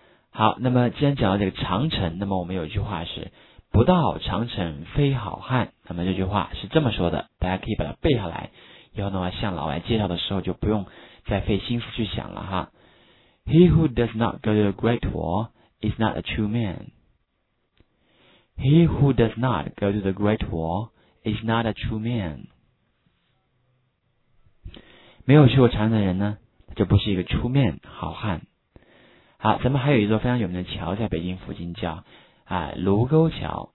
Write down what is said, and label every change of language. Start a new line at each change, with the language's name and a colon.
Chinese: 好，那么既然讲到这个长城，那么我们有一句话是不到长城非好汉。那么这句话是这么说的，大家可以把它背下来，以后的话向老外介绍的时候就不用再费心思去想了哈。
English: He who does not go to the Great Wall is not a true man. He who does not go to the Great Wall is not a true man.
Chinese: 没有去过长城的人呢，他就不是一个出面好汉。好，咱们还有一座非常有名的桥在北京附近叫卢沟桥。